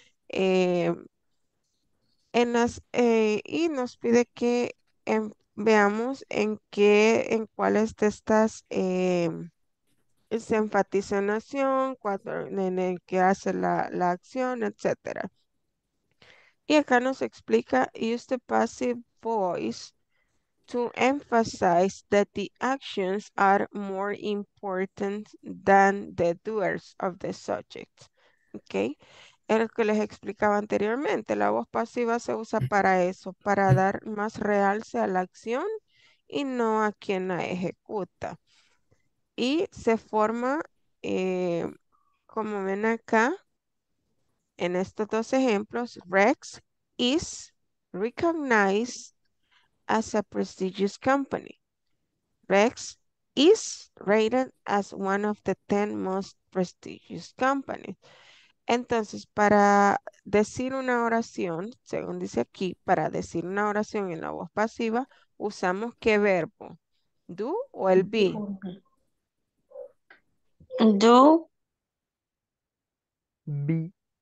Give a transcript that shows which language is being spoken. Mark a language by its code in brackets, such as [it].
[es] Y nos pide que veamos en cuáles de estas se enfatiza en acción, en el que hace la acción, etc. Y acá nos explica, [en] use the passive voice to emphasize that the actions are more important than the doers of the subject. [es] Okay? Era lo que les explicaba anteriormente. La voz pasiva se usa para eso, para dar más realce a la acción y no a quien la ejecuta. Y se forma, como ven acá, en estos dos ejemplos, [en] Rex is recognized as a prestigious company. Rex is rated as one of the 10 most prestigious companies. [es] Entonces, para decir una oración, según dice aquí, para decir una oración en la voz pasiva, usamos ¿qué verbo? ¿Do o el be? [en] Do. Be.